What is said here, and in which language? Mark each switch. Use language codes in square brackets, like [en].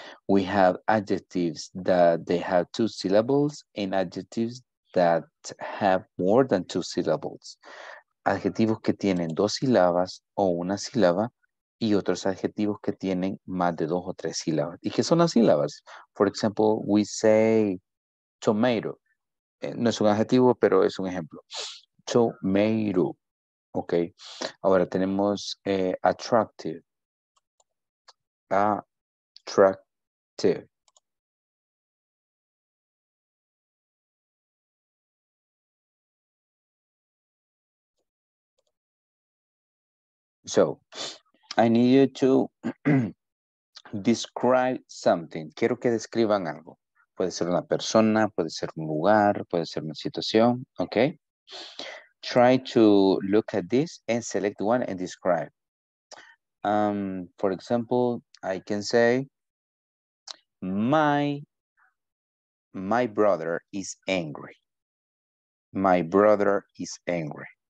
[en] We have adjectives that they have two syllables and adjectives that have more than two syllables. [es] Adjetivos que tienen dos sílabas o una sílaba y otros adjetivos que tienen más de dos o tres sílabas. ¿Y qué son las sílabas? [en] For example, we say tomato. [es] No es un adjetivo, pero es un ejemplo. Tomato. Ok. Ahora tenemos attractive. [en] Attractive. So, I need you to describe something. [es] Quiero que describan algo. Puede ser una persona, puede ser un lugar, puede ser una situación, okay? [en] Try to look at this and select one and describe. For example, I can say, my brother is angry. My brother is angry.